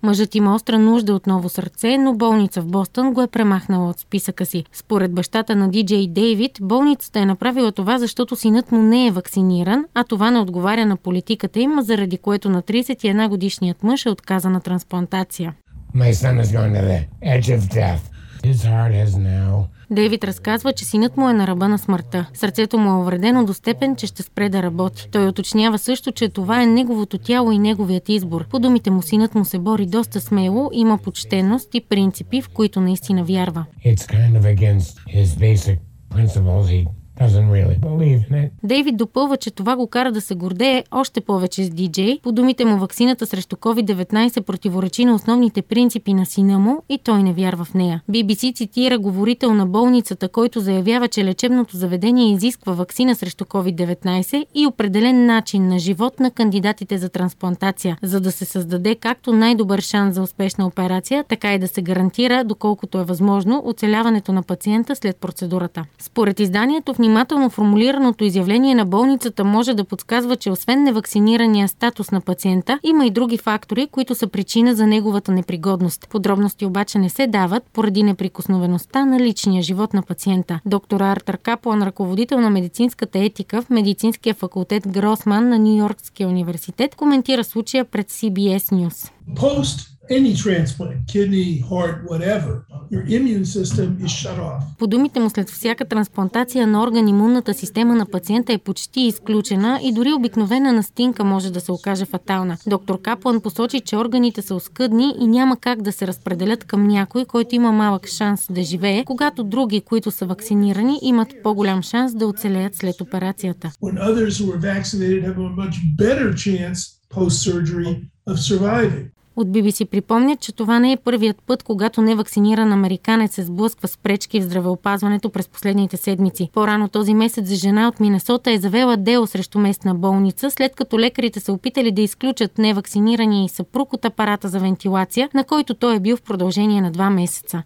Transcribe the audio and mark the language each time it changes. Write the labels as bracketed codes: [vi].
[bg] Мъжът има остра нужда от ново сърце, но болница в Бостън го е премахнала от списъка си. Според бащата на Диджей Дейвид, болницата е направила това, защото синът му не е ваксиниран, а това не отговаря на политиката им, заради което на 31 годишният мъж е отказан на трансплантация. [en] My son is on the edge of death. His heart has now. [bg] Дейвид разказва, че синът му е на ръба на смъртта. Сърцето му е увредено до степен, че ще спре да работи. Той уточнява също, че това е неговото тяло и неговият избор. По думите му, синът му се бори доста смело, има почтеност и принципи, в които наистина вярва. [en] It's kind of against his basic principles. [bg] Дейвид допълва, че това го кара да се гордее още повече с диджей. По думите му, ваксината срещу COVID-19 противоречи на основните принципи на сина му и той не вярва в нея. BBC цитира говорител на болницата, който заявява, че лечебното заведение изисква ваксина срещу COVID-19 и определен начин на живот на кандидатите за трансплантация, за да се създаде както най-добър шанс за успешна операция, така и да се гарантира, доколкото е възможно, оцеляването на пациента след процедурата. Според изданието, внимателно формулираното изявление на болницата може да подсказва, че освен неваксинирания статус на пациента, има и други фактори, които са причина за неговата непригодност. Подробности обаче не се дават поради неприкосновеността на личния живот на пациента. Доктор Артър Каплан, ръководител на медицинската етика в медицинския факултет Гросман на Нью-Йоркския университет, коментира случая пред CBS News. [en] Any transplant, kidney, heart, whatever, your immune system is shut off. [bg] По думите му, след всяка трансплантация на орган, имунната система на пациента е почти изключена и дори обикновена настинка може да се окаже фатална. Доктор Каплан посочи, че органите са оскъдни и няма как да се разпределят към някой, който има малък шанс да живее, когато други, които са вакцинирани, имат по-голям шанс да оцелеят след операцията. [en] When others who are vaccinated have a much better chance post-surgery of surviving. [bg] От BBC припомнят, че това не е първият път, когато невакциниран американец се сблъсква с пречки в здравеопазването през последните седмици. По-рано този месец жена от Миннесота е завела дело срещу местна болница, след като лекарите са опитали да изключат невакцинирания и съпруг от апарата за вентилация, на който той е бил в продължение на 2 месеца.